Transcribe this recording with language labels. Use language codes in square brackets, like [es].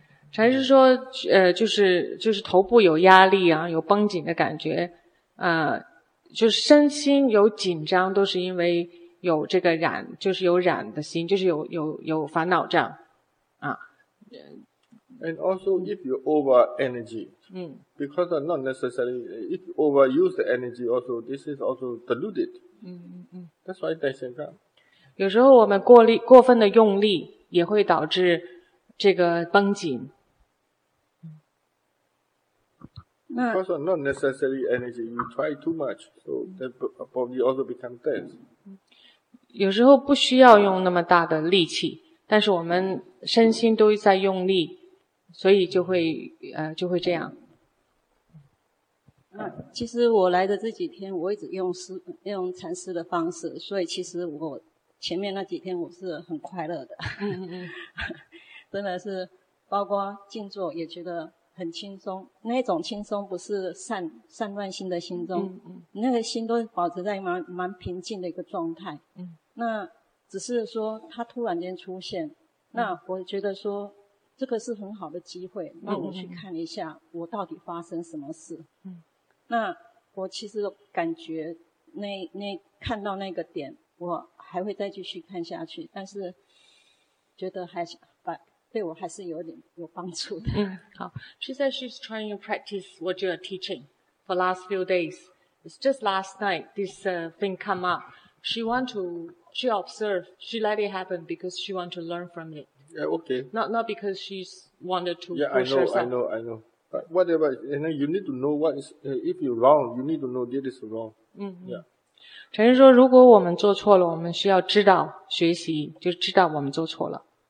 [zh] 禅师说，就是头部有压力啊，有绷紧的感觉，就是身心有紧张，都是因为有这个染，就是有染的心，就是有烦恼障，啊。 [en] And also, if you over energy, because not necessary, if you overuse the energy, also this is also diluted. That's why tension comes. [zh] 有时候我们过分的用力，也会导致这个绷紧。 [en] Because not necessary energy, you try too much, so the body also become tense. [zh] 有时候不需要用那么大的力气，但是我们身心都在用力，所以就会这样。其实我来的这几天，我一直用禅师的方式，所以其实我前面那几天我是很快乐的，真的是，包括静坐也觉得。很轻松，那种轻松不是散乱心的心中，那个心都保持在蛮平静的一个状态。那只是说它突然间出现，那我觉得说这个是很好的机会，那我去看一下我到底发生什么事。那我其实感觉那看到那个点，我还会再继续看下去，但是觉得还想。对我还是有点有帮助的。 [en] 好。She says she's trying to practice what you're teaching for last few days. It's just last night this thing come up. She observed. She let it happen because she want to learn from it. Yeah, okay. Not because she's wanted to push herself. Yeah, I know. But whatever, and then you need to know what is, if you're wrong, you need to know that is wrong. Yeah. [zh] 陈师说，如果我们做错了，我们需要知道学习，就知道我们做错了。